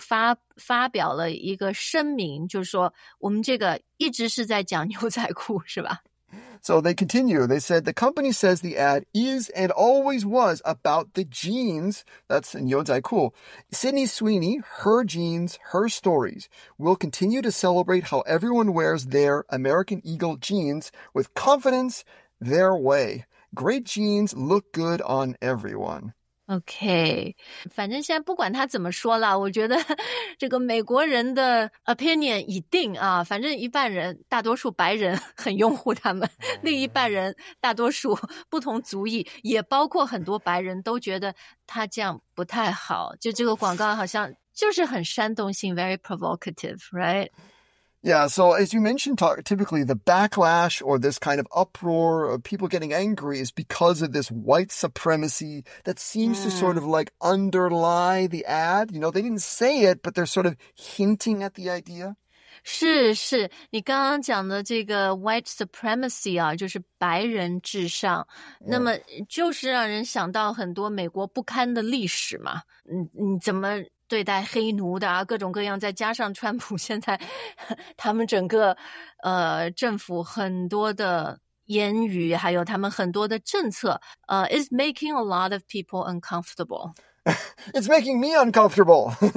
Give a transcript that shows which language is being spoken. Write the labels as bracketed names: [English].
[Chinese] 然后这个公司他又发表了一个声明, 就是说我们这个一直是在讲牛仔裤, 是吧? [English] So they continue. They said, the company says the ad is and always was about the jeans. That's in 牛仔裤. Sydney Sweeney, her jeans, her stories. We'll continue to celebrate how everyone wears their American Eagle jeans with confidence their way. Great jeans look good on everyone. [Chinese] OK, 反正现在不管他怎么说了,我觉得这个美国人的 opinion 已定啊,反正一半人大多数白人很拥护他们,另一半人大多数不同族裔,也包括很多白人都觉得他这样不太好,就这个广告好像就是很煽动性, [English] very provocative, right? Yeah, so as you mentioned, typically the backlash or this kind of uproar of people getting angry is because of this white supremacy that seems to sort of like underlie the ad. You know, they didn't say it, but they're sort of hinting at the idea. [Chinese] 是是, 你刚刚讲的这个 white supremacy 啊, 就是白人至上, 那么就是让人想到很多美国不堪的历史嘛, 你怎么 对待黑奴的啊，各种各样，再加上川普现在，他们整个政府很多的言语，还有他们很多的政策， [English] is making a lot of people uncomfortable. It's making me uncomfortable.